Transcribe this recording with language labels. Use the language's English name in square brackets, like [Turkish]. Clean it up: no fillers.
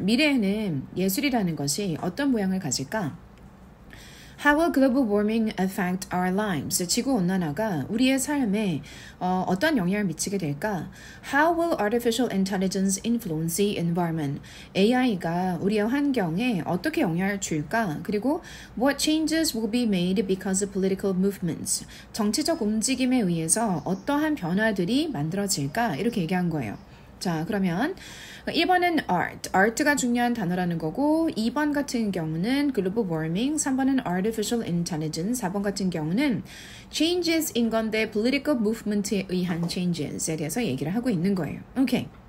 [Korean] 미래에는 예술이라는 것이 어떤 모양을 가질까? [English] How will global warming affect our lives? [Korean] 지구온난화가 우리의 삶에 어떤 영향을 미치게 될까? [English] How will artificial intelligence influence the environment? [Korean] AI가 우리의 환경에 어떻게 영향을 줄까? [English] 그리고 What changes will be made because of political movements? [Korean] 정치적 움직임에 의해서 어떠한 변화들이 만들어질까? 이렇게 얘기한 거예요. 자, 그러면 1번은 art. art가 중요한 단어라는 거고 2번 같은 경우는 global warming, 3번은 artificial intelligence, 4번 같은 경우는 changes인 건데 political movement에 의한 changes에 대해서 얘기를 하고 있는 거예요. 오케이.